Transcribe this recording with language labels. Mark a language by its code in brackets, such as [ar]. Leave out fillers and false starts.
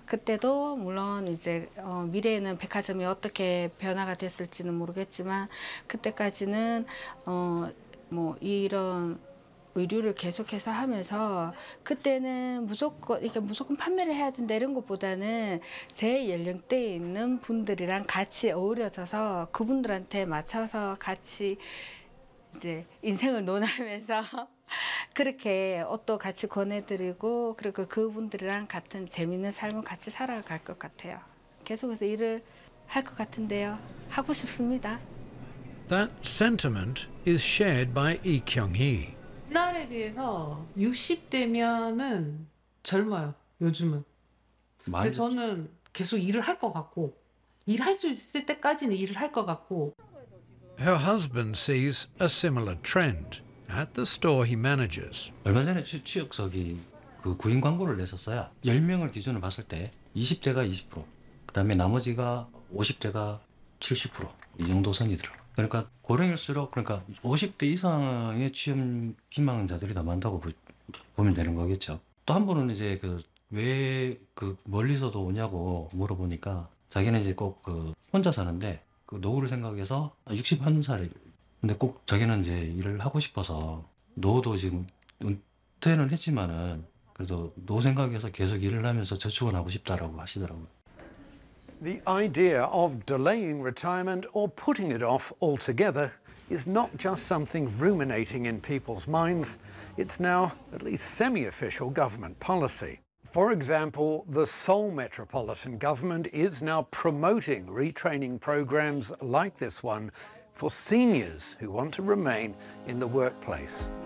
[ko] 그때도 물론 이제 미래에는 백화점이 어떻게 변화가 됐을지는 모르겠지만 그때까지는 뭐 이런 의류를 계속해서 하면서 그때는 무조건 그러니까 무조건 판매를 해야 된다 이런 것보다는 제 연령대에 있는 분들이랑 같이 어우러져서 그분들한테 맞춰서 같이 이제 인생을 논하면서 그렇게 옷도 같이 권해드리고 그리고 그분들이랑 같은 재밌는 삶을 같이 살아갈 것 같아요. 계속해서 일을 할 것 같은데요. 하고 싶습니다. [en] That sentiment is shared by Lee Kyung-hee. [ko] 옛날에 비해서 60대면은 젊어요. 요즘은. 근데 저는 계속 일을 할 것 같고 일할 수 있을 때까지는 일을 할 것 같고. [en] Her husband sees a similar trend. At the store he manages. [ko] 얼마 전에 취업 저기 그 구인 광고를 냈었어요. 10명을 기준으로 봤을 때 20대가 20%, 그다음에 나머지가 50대가 70% 이 정도 선이더라고요. 그러니까 고령일수록 그러니까 50대 이상의 취업 희망자들이 더 많다고 보면 되는 거겠죠. 또 한 분은 이제 그 왜 그 멀리서도 오냐고 물어보니까 자기는 이제 꼭 그 혼자 사는데 그 노후를 생각해서 61살이 근데 꼭 자기는 이제 일을 하고 싶어서 노후도 지금 은퇴는 했지만은 그래도 노후 생각해서 계속 일을 하면서 저축을 하고 싶다라고 하시더라고요. [en] The idea of delaying retirement or putting it off altogether is not just something ruminating in people's minds. It's now at least semi-official government policy. For example, the Seoul Metropolitan Government is now promoting retraining programs like this one for seniors who want to remain in the workplace.